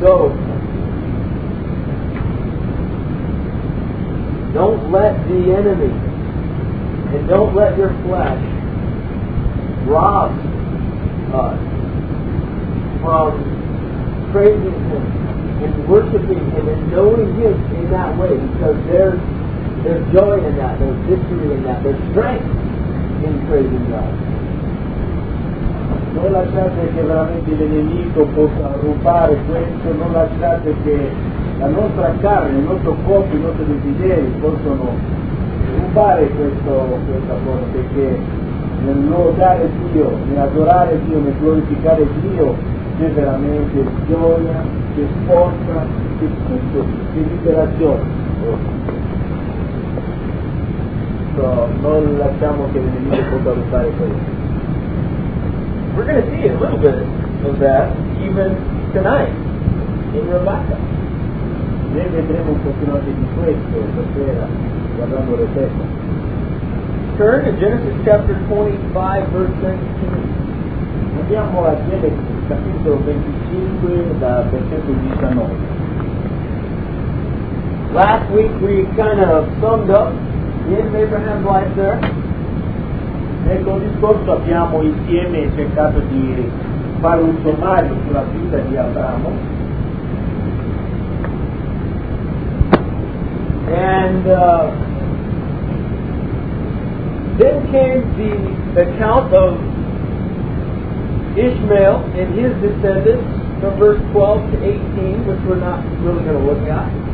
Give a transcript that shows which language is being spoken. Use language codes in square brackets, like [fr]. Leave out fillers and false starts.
[en] So, don't let the enemy and don't let your flesh rob us from praising Him and worshiping Him and knowing Him in that way, because there's joy in that, there's victory in that, there's strength in praising God. [it] Non lasciate che veramente il nemico possa rubare questo, non lasciate che la nostra carne, il nostro corpo, i nostri desideri possano rubare questa cosa, perché nel lodare Dio, nel adorare Dio, nel glorificare Dio, c'è veramente gioia, c'è forza, c'è tutto, c'è liberazione. So, non lasciamo che il nemico possa rubare questo. [en] We're going to see a little bit of that even tonight in Rebecca. [it] Ne vedremo un pochino anche di questo stasera, guardando Rebecca. [en] Turn to Genesis chapter 25, verse 17. [it] Andiamo a Genesi. Capitolo 25, da versetto 19. [en] Last week we kind of summed up the end of Abraham's life there. [it] Ecco, il discorso abbiamo insieme cercato di fare un sommario sulla vita di Abramo. [en] And then came the account of Ishmael and his descendants from verse 12 to 18, which we're not really going to look at.